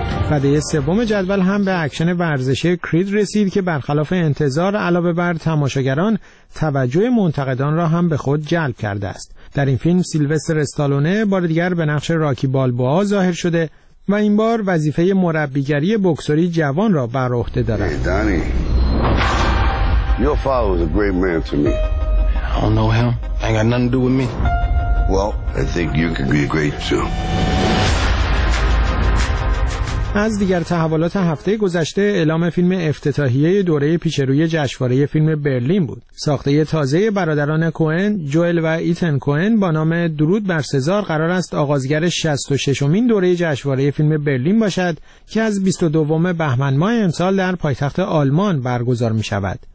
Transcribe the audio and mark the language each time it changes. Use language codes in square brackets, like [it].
[fa] بعد از سوم جدول هم به اکشن ورزشی کرید رسید که برخلاف انتظار علاوه بر تماشاگران، توجه منتقدان را هم به خود جلب کرده است. در این فیلم سیلوستر استالونه بار دیگر به نقش راکی بالبوا ظاهر شده و این بار وظیفه مربیگری بکسوری جوان را بر عهده دارد. دانی. [en] Your father was a great man to me. I don't know him. I ain't got nothing to do with me. Well, I think you could be great too. [fa] از دیگر تحولات هفته گذشته، اعلام فیلم افتتاحیه دوره پیش روی جشنواره فیلم برلین بود. ساخته تازه برادران کوئن، جوئل و ایتن کوئن با نام درود بر سزار قرار است آغازگر 66مین دوره جشنواره فیلم برلین باشد که از 22 بهمن ماه امسال در پایتخت آلمان برگزار می شود.